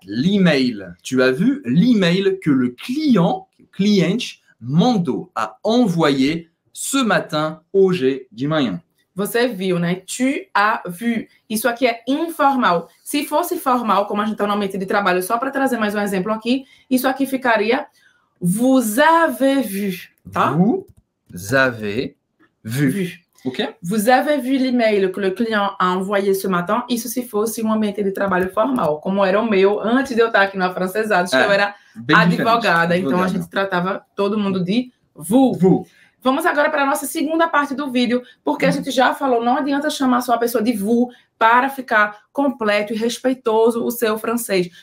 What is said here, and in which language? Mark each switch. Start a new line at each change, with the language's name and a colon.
French: L'email. Tu as vu l'email que le client,
Portuguese: cliente, mandou a
French: envoyer ce matin,
Portuguese: hoje, de manhã. Você viu, né?
French: Tu as vu.
Portuguese: Isso aqui é informal. Se fosse formal, como a gente está no ambiente de trabalho, só para trazer mais um exemplo aqui, isso aqui ficaria
French: vous avez vu,
Portuguese: tá?
French: Vous avez vu. Vu.
Portuguese: O quê?
French: Vous avez vu l'email que le client a envoyé ce matin?
Portuguese: Isso se fosse um ambiente de trabalho formal, como era o meu antes de eu estar aqui no afrancesado, que eu era advogada. Então, a gente tratava todo mundo de vous.
French: Vous.
Portuguese: Vamos agora para a nossa segunda parte do vídeo, porque a gente já falou, não adianta chamar só a pessoa de vous para ficar completo e respeitoso o seu francês.